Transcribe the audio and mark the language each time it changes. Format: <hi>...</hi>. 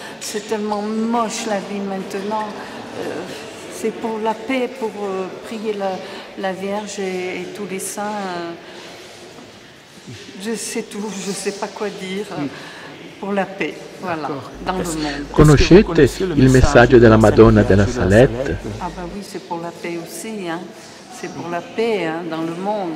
<fr>C'est tellement moche la vie maintenant. C'est pour la paix, pour prier la Vierge et tous les saints. Je sais tout, je ne sais pas quoi dire. Pour la paix, voilà, dans le monde.</fr> <it>Conoscete il messaggio della Madonna della Salette?</it> <fr>Ah ben oui, c'est pour la paix aussi. Hein. C'est pour la paix hein, dans le monde.</fr>